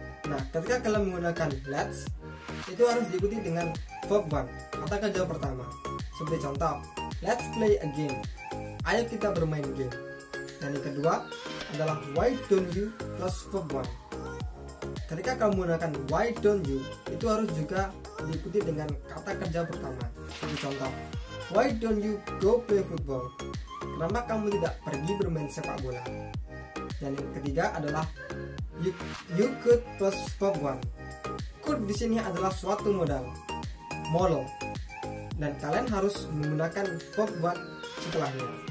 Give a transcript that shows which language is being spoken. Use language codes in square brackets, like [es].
[id] Nah, ketika kalian menggunakan let's, itu harus diikuti dengan verb one, kata kerja pertama. Seperti contoh, [en] let's play a game. [id] Ayo kita bermain game. Dan yang kedua adalah [en] why don't you plus verb one. [id] Ketika kamu menggunakan why don't you, itu harus juga diikuti dengan kata kerja pertama. Seperti contoh, [en] why don't you go play football? [id] Kenapa kamu tidak pergi bermain sepak bola? Dan yang ketiga adalah you could plus verb one. Could di sini adalah suatu modal, modal. Dan kalian harus menggunakan verb one setelahnya.